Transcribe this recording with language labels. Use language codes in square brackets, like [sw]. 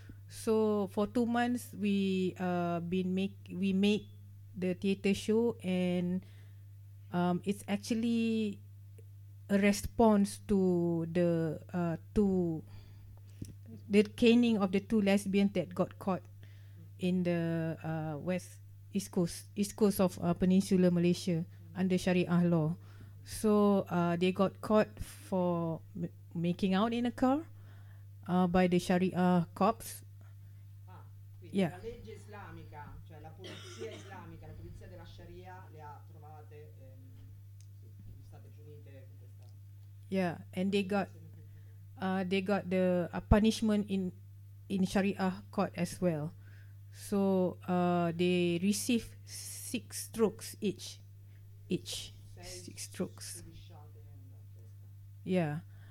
[en] So for 2 months we make the theater show, and it's actually a response to the caning of the two lesbians that got caught in the east coast of Peninsula Malaysia under Sharia law. So they got caught for making out in a car by the Sharia cops. Yeah. [it] La legge islamica, cioè la polizia islamica, la polizia della Sharia le ha trovate state punite con questa. [en] Yeah, and they got the punishment in Sharia court as well. So they receive 6 strokes each. Six strokes. Yeah.